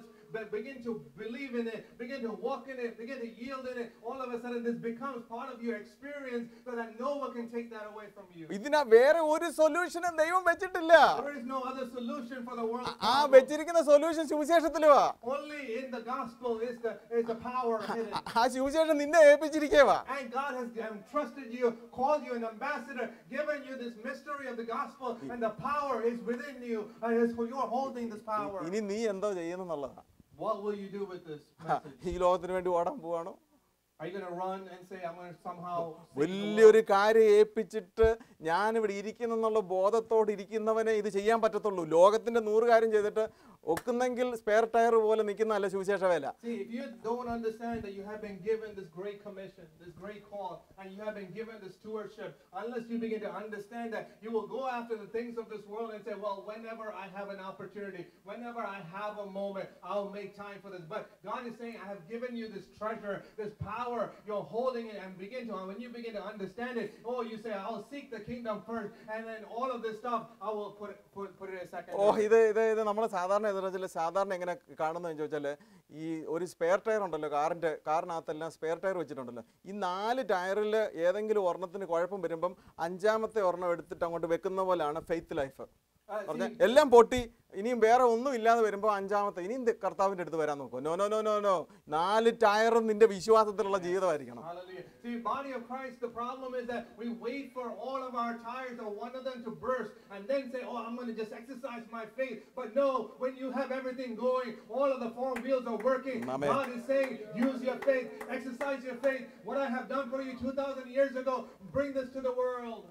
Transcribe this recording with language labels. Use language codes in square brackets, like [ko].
[en] But begin to believe in it, begin to walk in it, begin to yield in it, all of a sudden this becomes part of your experience so that no one can take that away from you. [ml] ഇതിനെ വേറെ ഒരു സൊല്യൂഷനും ദൈവം വെച്ചിട്ടില്ല. [en] There is no other solution for the world. [ml] ആ വെച്ചിരിക്കുന്ന solution സുവിശേഷത്തിലാ. [en] Only in the gospel is the power in it. [ml] ആ സുവിശേഷം നിന്നെ ഏൽപ്പിച്ചിരിക്കേവാ. [en] And God has entrusted you, called you an ambassador, given you this mystery of the gospel, and the power is within you, and it's for you are holding this power. [ml] ഇനി നീ എന്താ ചെയ്യുന്നെന്നുള്ളത്. [en] What will you do with this message? [ml] ഈ ലോകത്തിന് വേണ്ടി ഓടാൻ പോവാണോ? [en] Are you going to run and say I'm going to somehow [ml] വലിയൊരു കാര്യം ഏൽപ്പിച്ചിട്ട് ഞാൻ ഇവിടെ ഇരിക്കുന്നെന്നുള്ള ബോധത്തോടെ ഇരിക്കുന്നവനെ ഇത് ചെയ്യാൻ പറ്റത്തുള്ളൂ? ലോകത്തിന്റെ 100 കാര്യം ചെയ്തിട്ട് ഒക്കുന്നെങ്കിൽ സ്പെയർ ടയർ പോലെ നിൽക്കുന്ന അല്ല സുവിശേഷ വേല. [en] See, if you don't understand that you have been given this great commission, this great call, and you have been given this stewardship, unless you begin to understand that, you will go after the things of this world and say, well, whenever I have an opportunity, whenever I have a moment, I'll make time for this. But God is saying, I have given you this treasure, this power, you're holding it, and begin to, when you begin to understand it, oh, you say, I'll seek the kingdom first, and then all of this stuff, I will put it in a second. [ml] Oh, ഇത് നമ്മുടെ സാധാരണ എതിരാജിലെ സാധാരണ എങ്ങനെ കാണുന്നതെന്ന് ചോദിച്ചാല് ഈ ഒരു spare tyre ഉണ്ടല്ലോ കാറിന്റെ, കാറിനകത്തെല്ലാം സ്പെയർ ടയർ വെച്ചിട്ടുണ്ടല്ലോ. ഈ നാല് ടയറില് ഏതെങ്കിലും ഒരെണ്ണത്തിന് കുഴപ്പം വരുമ്പം അഞ്ചാമത്തെ ഒരെണ്ണം എടുത്തിട്ട് അങ്ങോട്ട് വെക്കുന്ന പോലെയാണ് ഫെയ്ത്ത് ലൈഫ്. എല്ലാം പൊട്ടി ഇനിയും വേറെ ഒന്നും ഇല്ലാതെ വരുമ്പോൾ അഞ്ചാമത്തെ ഇനിയും കർത്താവിന്റെ അടുത്ത് വരാൻ നോക്കും. [en] no no no no no, [ml] നാല് ടയറും നിന്റെ വിശ്വാസത്തിലുള്ള ജീവിതമായിരിക്കണം. [en] See, body of Christ, the problem is that we wait for all of our tires or one of them to burst and then say, oh, I'm going to just exercise my faith. But no, when you have everything going, all of the four wheels are working, Amen. God is saying, use your faith, exercise your faith. What I have done for you 2,000 years ago, bring this to the world.